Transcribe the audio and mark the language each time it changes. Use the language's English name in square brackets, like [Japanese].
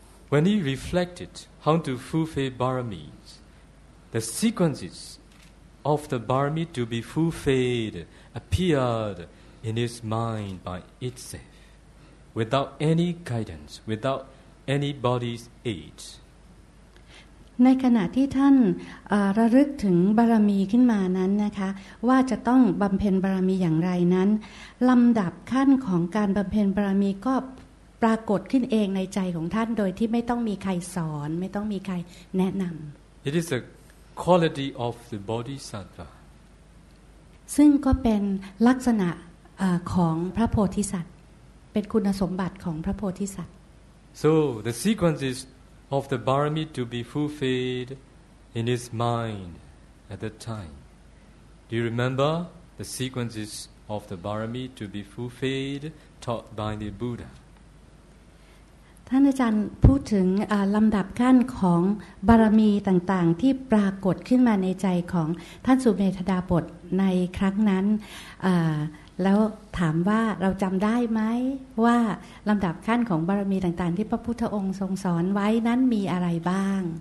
[English] When he reflected how to fulfill baramis the sequences of the barami to be fulfilled appeared in his mind by itself without any guidance without anybody's aid [Thai] ในขณะที่ท่านระลึกถึงบารมีขึ้นมานั้นนะคะว่าจะต้องบำเพ็ญบารมีอย่างไรนั้นลำดับขั้นของการบำเพ็ญบารมีก็ปรากฏขึ้นเองในใจของท่านโดยที่ไม่ต้องมีใครสอนไม่ต้องมีใครแนะนำ [English] It is aQuality of the Bodhisattva. [Thai] ซึ่งก็เป็นลักษณะของพระโพธิสัตว์เป็นคุณสมบัติของพระโพธิสัตว์ [English] So the sequences of the barami to be fulfilled in his mind at that time. Do you remember the sequences of the barami to be fulfilled taught by the Buddha? [Thai] ท่านอาจารย์พูดถึงลำดับขั้นของบารมีต่างๆที่ปรากฏขึ้นมาในใจของท่านสุเมธดาบสในครั้งนั้นแล้วถามว่าเราจำได้ไหมว่าลำดับขั้นของบารมีต่างๆที่พระพุทธองค์ทรงสอนไว้นั้นมีอะไรบ้าง